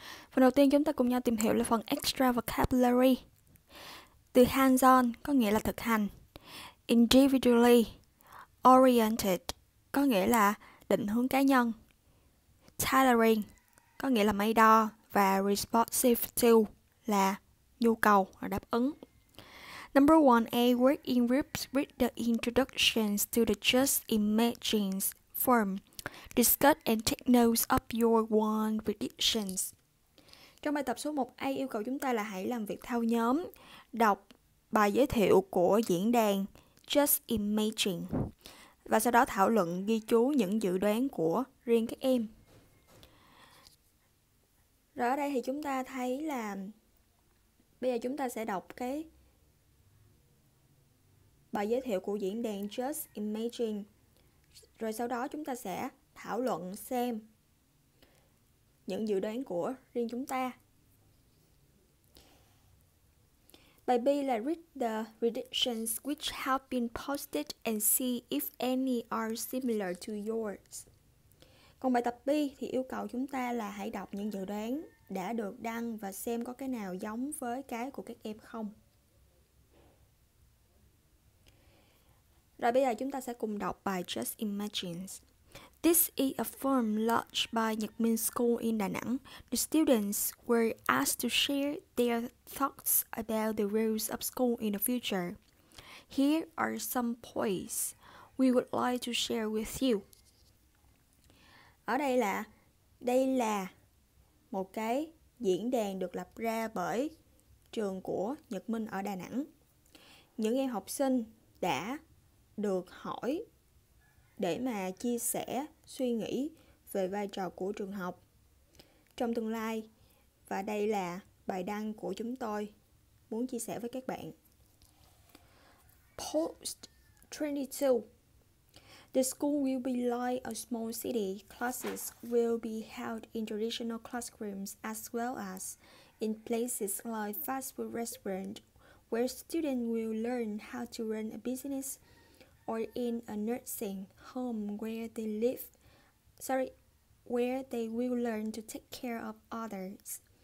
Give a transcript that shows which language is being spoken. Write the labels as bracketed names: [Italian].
[Vietnamese] Phần đầu tiên chúng ta cùng nhau tìm hiểu là phần Extra Vocabulary. Từ hands-on có nghĩa là thực hành. Individually oriented có nghĩa là định hướng cá nhân. Tailoring có nghĩa là may đo. Và responsive to là nhu cầu và đáp ứng. [English] Number 1A, work in groups with the introductions to the just imagine form. Discuss and take notes of your own predictions. [Vietnamese] Trong bài tập số 1A yêu cầu chúng ta là hãy làm việc theo nhóm, đọc bài giới thiệu của diễn đàn Just Imagine và sau đó thảo luận ghi chú những dự đoán của riêng các em. Rồi ở đây thì chúng ta thấy là bây giờ chúng ta sẽ đọc cái bài giới thiệu của diễn đàn Just Imagine. Rồi sau đó chúng ta sẽ thảo luận xem những dự đoán của riêng chúng ta. Bài B là [English] read the predictions which have been posted and see if any are similar to yours. [Vietnamese] Còn bài tập B thì yêu cầu chúng ta là hãy đọc những dự đoán đã được đăng và xem có cái nào giống với cái của các em không. Rồi bây giờ chúng ta sẽ cùng đọc bài Just Imagines. [English] This is a form launched by Nhật Minh School in Đà Nẵng. The students were asked to share their thoughts about the rules of school in the future. Here are some points we would like to share with you. [Vietnamese] Ở đây là một cái diễn đàn được lập ra bởi trường của Nhật Minh ở Đà Nẵng. Những em học sinh đã được hỏi để mà chia sẻ suy nghĩ về vai trò của trường học trong tương lai. Và đây là bài đăng của chúng tôi muốn chia sẻ với các bạn. [English] Post 22. The school will be like a small city. Classes will be held in traditional classrooms as well as in places like fast food restaurants where students will learn how to run a business or in a nursing home where they will learn to take care of others.